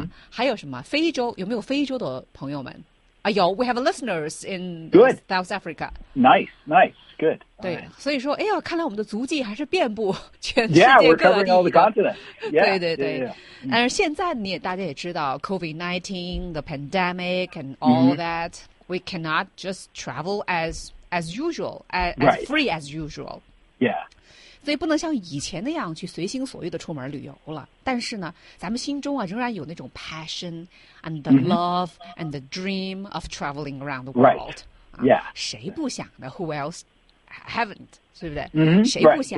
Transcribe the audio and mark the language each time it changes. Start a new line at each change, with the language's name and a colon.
Chinese: 还有什么，非洲，有没有非洲的朋友们？有
English: ,we have listeners in South Africa. Nice, nice, good.
Chinese: 对，所以说，哎呦，看来我们的足迹还是遍布全世界各地。
English: Yeah, we're covering all the continents. Yeah,
Chinese: 对对对。但是现在你也大家也知道
English: COVID-19, the pandemic and all that, we cannot just travel as usual, as free as usual. Yeah.
Chinese: 所以不能像以前那样去随心所欲的出门旅游了。但是呢，咱们心中啊仍然有那种
English: passion and the love and the dream of traveling around the world. Yeah.
Chinese: 谁不想呢？
English: Who else haven't?
Chinese: 对不对？谁不想